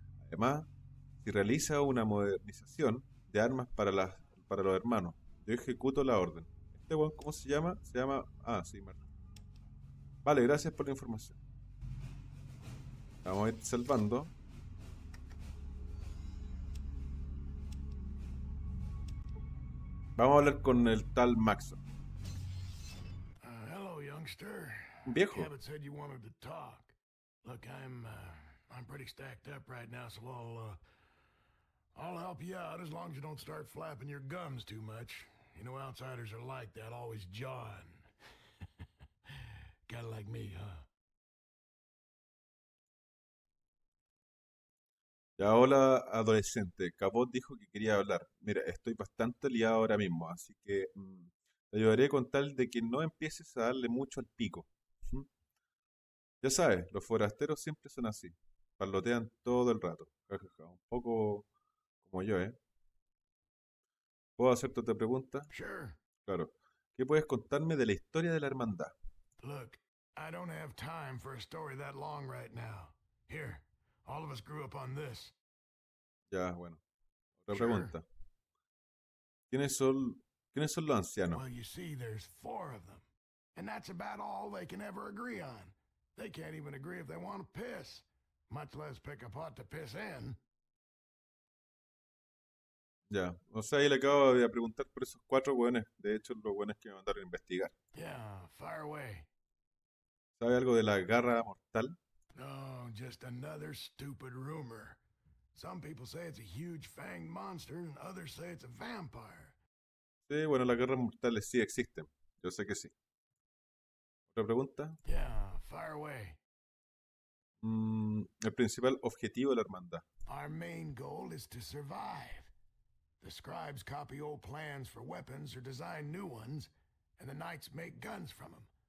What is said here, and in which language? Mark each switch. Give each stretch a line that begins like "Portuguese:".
Spanish: Además, si realiza una modernización de armas para los hermanos, yo ejecuto la orden. ¿Este buen cómo se llama? Se llama. Ah, sí, Marta. Vale, gracias por la información. Vamos a ir salvando. Vamos a hablar con el tal Maxon.
English: Hello, youngster.
Spanish: Un viejo.
English: Cabot said you wanted to talk. Look, I'm pretty stacked up right now, so I'll help you out as long as you don't start flapping your gums too much. You know, outsiders are like that, always jawing. Kinda like me, huh?
Spanish: Ya, hola, adolescente. Cabot dijo que quería hablar. Mira, estoy bastante liado ahora mismo, así que te ayudaré con tal de que no empieces a darle mucho al pico. Ya sabes, los forasteros siempre son así. Parlotean todo el rato. Un poco como yo, ¿eh? ¿Puedo hacerte otra pregunta?
English: Sure.
Spanish: Claro. ¿Qué puedes contarme de la historia de la hermandad?
English: Look, I don't have time for a story that long right now. Here, all of us grew up on this.
Spanish: Ya, bueno. Otra
English: Sure.
Spanish: pregunta. ¿Quiénes son los ancianos?
English: Well, you see, there's four of them. And that's about all they can ever agree on. They can't even agree if they want to piss, much less pick a pot to piss in.
Spanish: Ya, o sea, ahí le acabo de preguntar por esos cuatro hueones. De hecho, los hueones que me mandaron a investigar.
English: Yeah, fire away.
Spanish: ¿Sabe algo de la garra mortal?
English: Oh, just another stupid rumor. Some people say it's a huge fanged monster, and others say it's a vampire.
Spanish: Sí, bueno, las guerras mortales sí existen. Yo sé que sí. ¿Otra pregunta?
English: Yeah, fire away.
Spanish: El principal objetivo de la hermandad.
English: Our main goal is to survive. The scribes copy old plans for weapons or design new ones. And the knights make guns from them.